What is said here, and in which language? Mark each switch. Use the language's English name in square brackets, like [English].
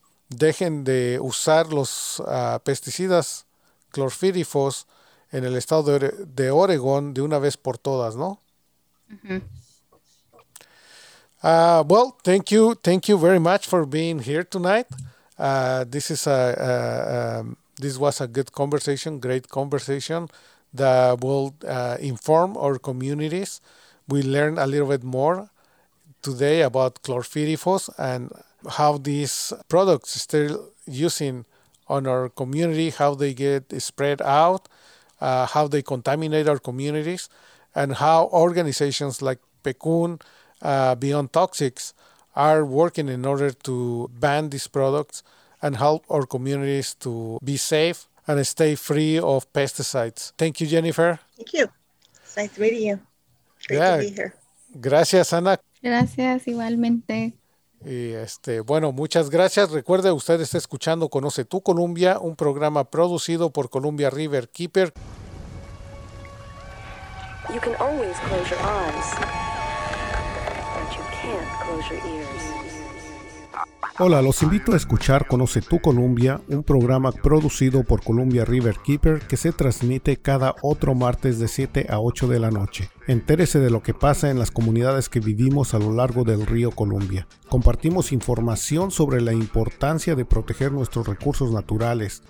[Spanish] dejen de usar los pesticidas clorfirifos en el estado de Oregón de una vez por todas, ¿no? [English] Well, thank you very much for being here tonight. This was a good conversation, great conversation that will inform our communities. We learned a little bit more today about chlorpyrifos and how these products still using on our community, how they get spread out, how they contaminate our communities, and how organizations like PECUN, Beyond Toxics, are working in order to ban these products and help our communities to be safe and stay free of pesticides. Thank you, Jennifer. Thank you. It's nice meeting you. Great to be here. [Spanish] Gracias, Ana. Gracias, igualmente. Y bueno, muchas gracias. Recuerde, usted está escuchando Conoce Tu Columbia, un programa producido por Columbia River Keeper. [English] You can always close your eyes, but you can't close your ears. [Spanish] Hola, los invito a escuchar Conoce Tu Columbia, un programa producido por Columbia River Keeper que se transmite cada otro martes de 7 a 8 de la noche. Entérese de lo que pasa en las comunidades que vivimos a lo largo del río Columbia. Compartimos información sobre la importancia de proteger nuestros recursos naturales.